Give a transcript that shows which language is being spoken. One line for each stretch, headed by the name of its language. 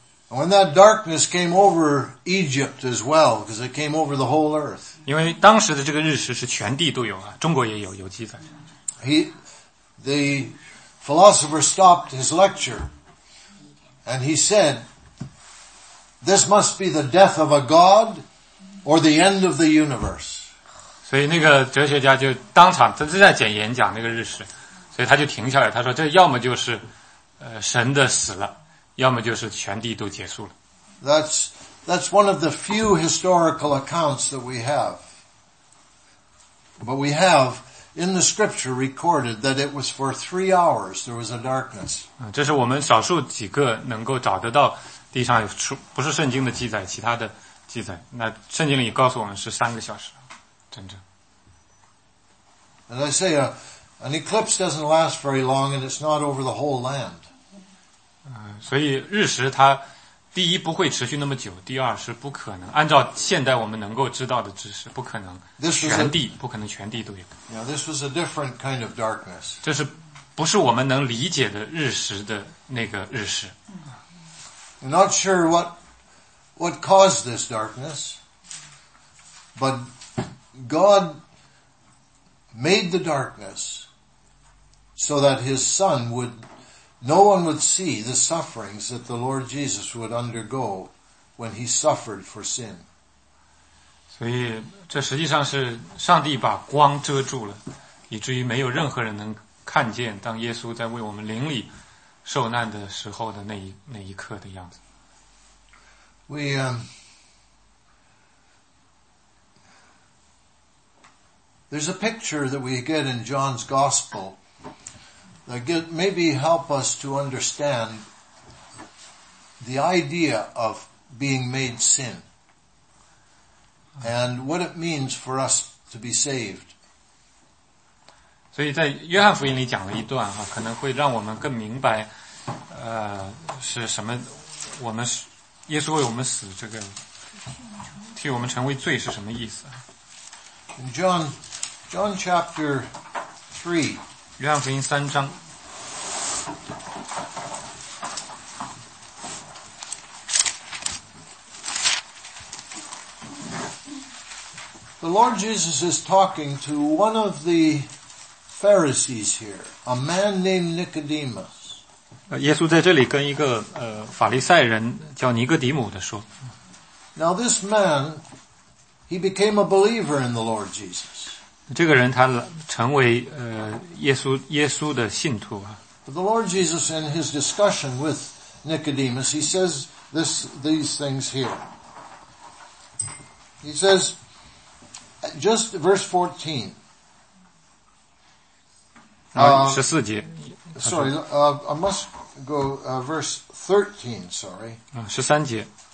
English: When that darkness came over Egypt as well, because it came over the whole earth.
Chinese: 因为当时的这个日食是全地都有啊，中国也有记载。
English: The philosopher stopped his lecture, and he said. This must be the death of a god, or the end of the universe.
Chinese: 所以那个哲学家就当场，他正在讲演讲那个日食，所以他就停下来，他说：“这要么就是，神的死了，要么就是全地都结束了。”
English: That's one of the few historical accounts that we have. But we have in the scripture recorded that it was for 3 hours there was a darkness.
Chinese: 这是我们少数几个能够找得到。地上有出不是圣经的记载，其他的记载，那圣经里告诉我们是三个小时，真正。
English: As I say, an eclipse doesn't last very long, and it's not over the whole land.
Chinese: 所以日食它第一不会持续那么久，第二是不可能按照现代我们能够知道的知识，不可能全地不可能全地都有。
English: Yeah, this was a different kind of darkness.
Chinese: 这是不是我们能理解的日食的那个日食？
English: I'm not sure what caused this darkness, but God made the darkness so that his son would, no one would see the sufferings that the Lord Jesus would undergo when he suffered for sin.
Chinese: 所以这实际上是上帝把光遮住了，以至于没有任何人能看见当耶稣在为我们灵里受难的时候的那一刻的样子。
English: There's a picture that we get in John's Gospel that maybe help us to understand the idea of being made sin and what it means for us to be saved.
Chinese: 所以在约翰福音里讲了一段啊，可能会让我们更明白，是什么？我们是耶稣为我们死，这个替我们成为罪是什么意思？
English: John chapter 3.
Chinese: 约翰福音三章。
English: The Lord Jesus is talking to one of the Pharisees here, a man named Nicodemus.
Chinese: 耶稣在这里跟一个法利赛人叫尼哥底母的说。
English: Now this man, he became a believer in the Lord Jesus.
Chinese: 这个人他成为耶稣的信徒啊。
English: But the Lord Jesus, in his discussion with Nicodemus, he says these things here. He says, just verse 14.
Chinese: 13节。